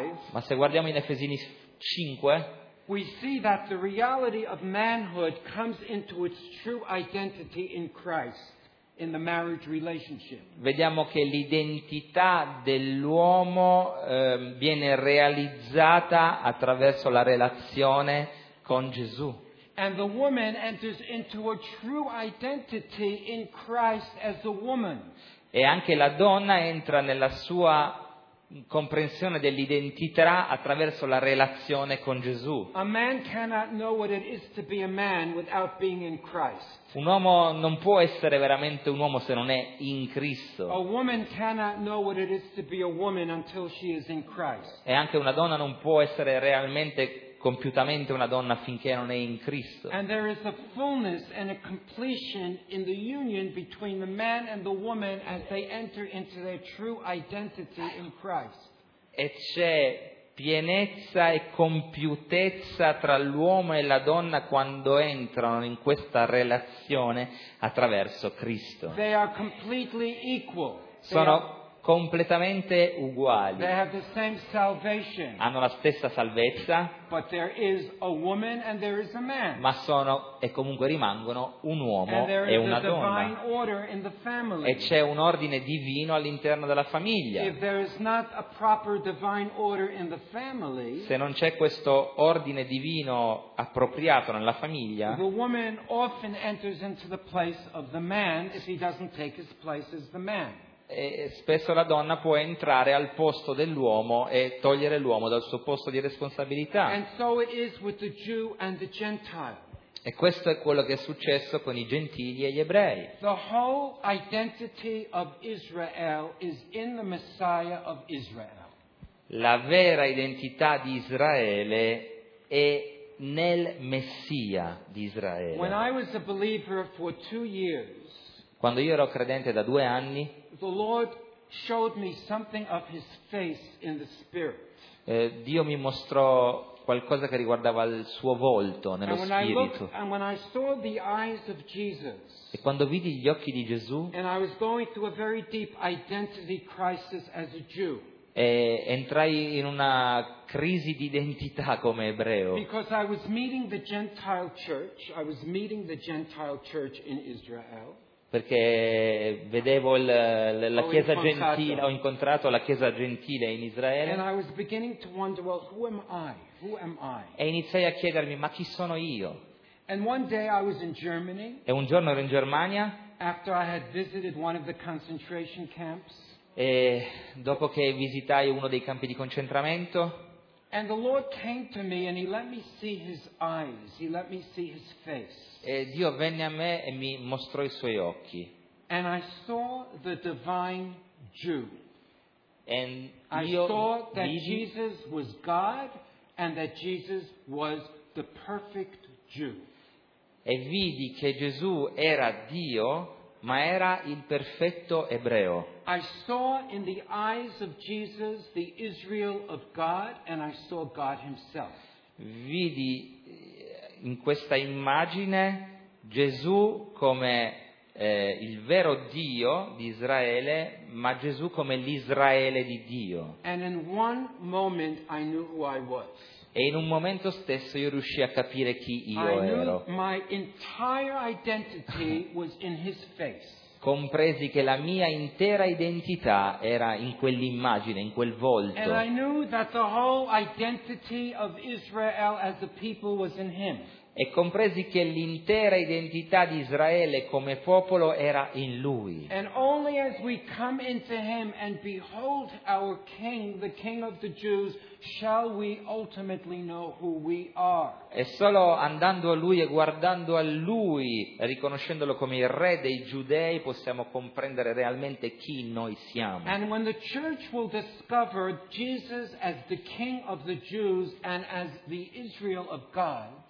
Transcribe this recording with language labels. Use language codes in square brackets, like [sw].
[it] Ma se guardiamo in Efesini 5, [en] we see that the reality of manhood comes into its true identity in Christ. In the marriage relationship. [it] Vediamo che l'identità dell'uomo viene realizzata attraverso la relazione con Gesù. [en] And the woman enters into a true identity in Christ as a woman. [it] E anche la donna entra nella sua comprensione dell'identità attraverso la relazione con Gesù. [en] A man cannot know what it is to be a man without being in Christ. [it] Un uomo non può essere veramente un uomo se non è in Cristo. [en] A woman cannot know what it is to be a woman until she is in Christ. [it] E anche una donna non può essere realmente compiutamente una donna finché non è in Cristo. [en] And there is a fullness and a completion in the union between the man and the woman as they enter into their true identity in Christ. [it] E c'è pienezza e compiutezza tra l'uomo e la donna quando entrano in questa relazione attraverso Cristo. [en] They are completely equal. [it] Sono completamente uguali. [en] They have the same salvation. [it] Hanno la stessa salvezza. [en] But there is a woman and there is a man. [it] Ma sono e comunque rimangono un uomo e una donna. [en] And there is a divine order in the family. [it] E c'è un ordine divino all'interno della famiglia. [en] If there is not a proper divine order in the family, [it] se non c'è questo ordine divino appropriato nella famiglia, [en] the woman often enters into the place of the man if he doesn't take his place as the man. [it] E spesso la donna può entrare al posto dell'uomo e togliere l'uomo dal suo posto di responsabilità. [en] And so it is with the Jew and the Gentile. [it] E questo è quello che è successo con i gentili e gli ebrei. [en] The whole identity of Israel is in the Messiah of Israel. [it] La vera identità di Israele è nel Messia di Israele. [en] When I was a believer for 2 years, [it] quando io ero credente da 2 anni, [en] the Lord showed me something of his face in the spirit. [it] Dio mi mostrò qualcosa che riguardava il suo volto nello spirito. [en] And when I saw the eyes of Jesus, [it] e quando vidi gli occhi di Gesù, [en] and I was going through a very deep identity crisis as a Jew. [it] E entrai in una crisi di identità come ebreo. [en] Because I was meeting the Gentile church, I was meeting the Gentile church in Israel. [it] Perché vedevo la chiesa gentile, ho incontrato la chiesa gentile in Israele. [en] And I was beginning to wonder, well, who am I? Who am I? [it] E iniziai a chiedermi, ma chi sono io? [en] And one day I was in Germany. [it] E un giorno ero in Germania. [en] After I had visited one of the concentration camps. [it] E dopo che visitai uno dei campi di concentramento. [en] And the Lord came to me and he let me see his eyes, he let me see his face. [it] E Dio venne a me e mi mostrò i suoi occhi. [en] And I saw the divine Jew. And I saw that Jesus was God and that Jesus was the perfect Jew. [it] E vidi che Gesù era Dio, ma era il perfetto ebreo. [en] I saw in the eyes of Jesus the Israel of God and I saw God himself. [it] Vidi in questa immagine Gesù come il vero Dio di Israele, ma Gesù come l'Israele di Dio. [en] And in one moment I knew who I was. [it] E in un momento stesso io riuscii a capire chi io ero. [en] My entire identity was in his face. [it] Compresi che la mia intera identità era in quell'immagine, in quel volto. [en] And I knew that the whole identity of Israel as a people was in him. [it] E compresi che l'intera identità di Israele come popolo era in lui. [en] And only as we come into him and behold our king, the king of the Jews, shall we ultimately know who we are. [it] E solo andando a lui e guardando a lui, riconoscendolo come il re dei giudei, possiamo comprendere realmente chi noi siamo. [en] And when the church will discover Jesus as the king of the Jews and as the Israel of God,